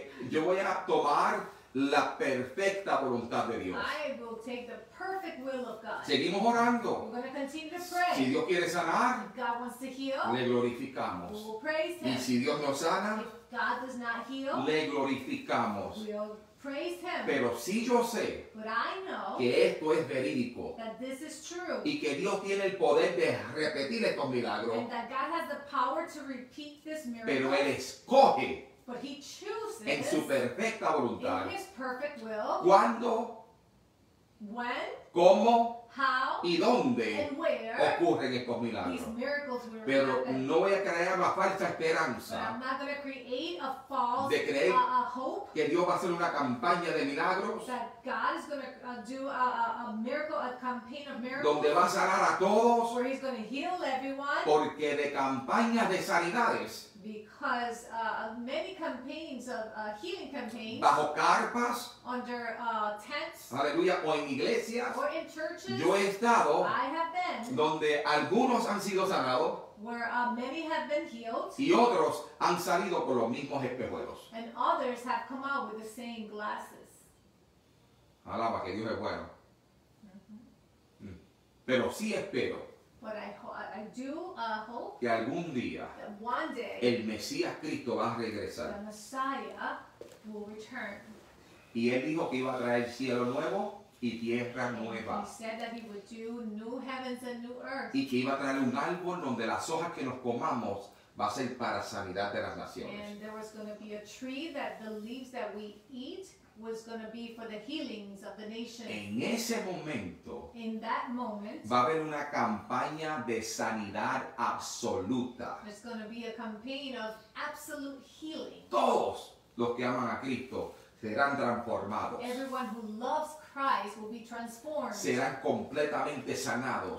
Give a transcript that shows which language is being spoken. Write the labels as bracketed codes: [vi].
[es] Yo voy a tomar la perfecta voluntad de Dios. [en] I will take the perfect will of God. [es] Seguimos orando. [en] We're going to continue to pray. [es] Si Dios quiere sanar, [en] if God wants to heal, [es] le glorificamos. [en] We will praise him. [es] Y si Dios no sana, [en] if God does not heal, [es] le glorificamos. [en] We'll praise him. [es] Pero sí yo sé, [en] but I know [es] que esto es verídico, [en] that this is true, [es] y que Dios tiene el poder de repetir estos milagros, [en] and that God has the power to repeat this miracle, [es] pero él escoge, [en] but he chooses, [es] en su perfecta voluntad, [en] in his perfect will, [es] cuando, [en] when, [es] cómo, [en] how, [es] y dónde, [en] and where, [es] ocurren estos milagros. [en] These miracles will [es] pero [en] happen. [es] No voy a crear la falsa esperanza, [en] but I'm not going to create a false, [es] de creer [en] a hope, [es] que Dios va a hacer una campaña de milagros, [en] that God is going to do a miracle, a campaign of miracles, [es] donde va a sanar a todos, [en] where he's going to heal everyone, [es] porque de campañas de sanidades, [en] because many campaigns of healing campaigns, [es] bajo carpas, [en] under tents, [es] aleluya, o en iglesias, [en] or in churches, [es] yo he estado, [en] I have been, [es] donde algunos han sido sanados, [en] where many have been healed, [es] y otros han salido con los mismos espejuelos, [en] and others have come out with the same glasses. [es] Alaba que Dios es bueno. Pero sí espero, [en] but I do hope, [es] que algún día, [en] that one day, [es] el Mesías Cristo va a regresar, [en] the Messiah will return. [es] Y él dijo que iba a traer cielo nuevo y tierra nueva. [en] He said that he would do new heavens and new earth. [es] Y que iba a traer un árbol donde las hojas que nos comamos va a ser para sanidad de las naciones. [en] And there was going to be a tree that the leaves that we eat was going to be for the healings of the nation. [es] En ese momento, [en] in that moment, [es] va a haber una campaña de sanidad absoluta. [en] There's going to be a campaign of absolute healing. [es] Todos los que aman a Cristo serán transformados. [en] Everyone who loves Christ will be transformed. [es] Serán completamente sanados.